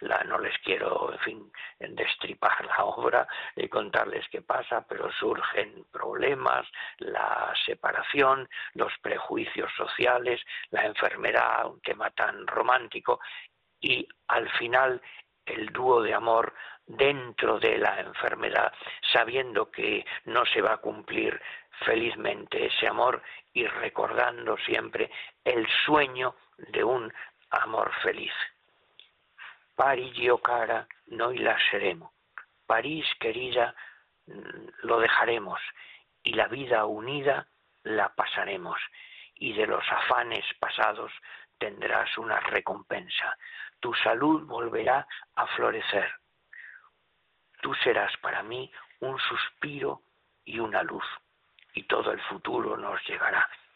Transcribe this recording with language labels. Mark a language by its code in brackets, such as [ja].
[es] No les quiero, en fin, destripar la obra y contarles qué pasa, pero surgen problemas, la separación, los prejuicios sociales, la enfermedad, un tema tan romántico, y al final el dúo de amor dentro de la enfermedad, sabiendo que no se va a cumplir felizmente ese amor y recordando siempre el sueño de un amor feliz. [it] Parigi o cara, noi lasceremo. [es] París, querida, lo dejaremos, y la vida unida la pasaremos, y de los afanes pasados tendrás una recompensa. Tu salud volverá a florecer. Tú serás para mí un suspiro y una luz, y todo el futuro nos llegará.